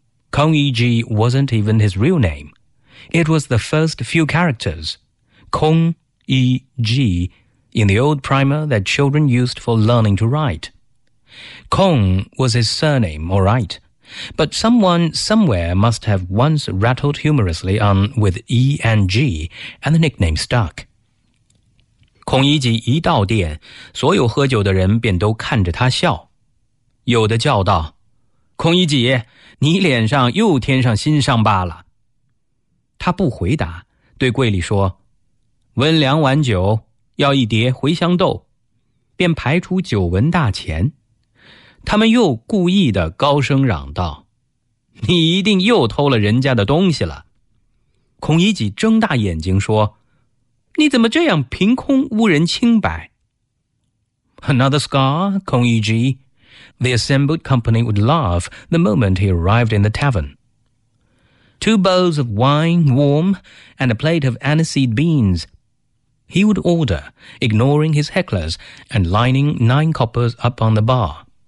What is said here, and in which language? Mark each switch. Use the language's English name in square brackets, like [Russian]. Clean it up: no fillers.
[English] Kong Yiji wasn't even his real name. It was the first few characters, Kong Yiji, in the old primer that children used for learning to write. Kong was his surname, all right, but someone somewhere must have once rattled humorously on with E and G, and the nickname stuck. [Chinese] 孔乙己一到店，所有喝酒的人便都看着他笑，有的叫道：孔乙己，你脸上又添上新伤疤了。他不回答，对柜里说：温凉碗酒，要一碟茴香豆，便排出酒文大钱。他们又故意地高声嚷道：你一定又偷了人家的东西了。孔乙己睁大眼睛说：你怎么这样凭空污人清白？ [English] Another scar, Kong Yiji. The assembled company would laugh the moment he arrived in the tavern. Two bowls of wine, warm, and a plate of aniseed beans. He would order, ignoring his hecklers and lining 9 coppers up on the bar.